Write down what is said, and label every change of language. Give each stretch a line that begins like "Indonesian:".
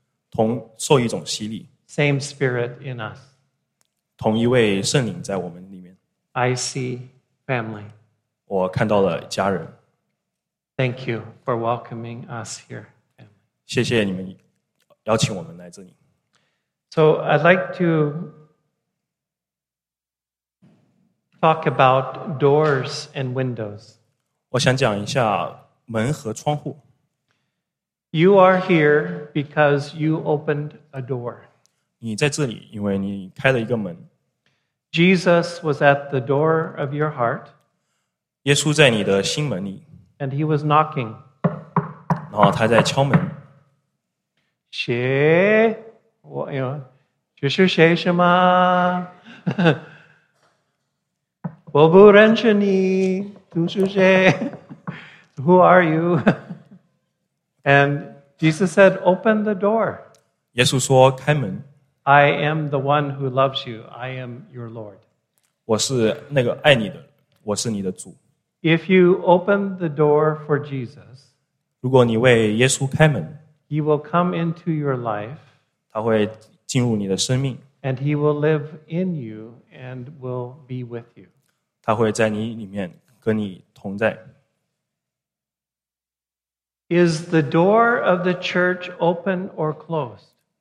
Chinese: 同受一种洗礼。
English: Same spirit in us.
Chinese: 同一位圣灵在我们里面。
English: I see family.
Chinese: 我看到了家人。
English: Thank you for welcoming us here.
Chinese: 谢谢你们邀请我们来这里。
English: So I'd like to talk about doors and windows.
Chinese: 我想讲一下门和窗户。
English: You are here because you opened a door.
Chinese: 你在这里因为你开了一个门。
English: Jesus was at the door of your heart.
Chinese: 耶稣在你的心门里。
English: And he was knocking.
Chinese: 然后他在敲门。谁？我，就是谁什么？ Bobu Renchani, Tu Suje,
English: who are you? And Jesus said, open the door.
Chinese: 耶稣说, 开门,
English: I am the one who loves you. I am your Lord.
Chinese: 我是那个爱你的, 我是你的主。
English: If you open the door for Jesus,
Chinese: 如果你为耶稣开门,
English: he will come into your life,
Chinese: 他会进入你的生命,
English: and he will live in you and will be with you.
Chinese: 他会在你里面跟你同在。
English: Is the door of the church open or closed?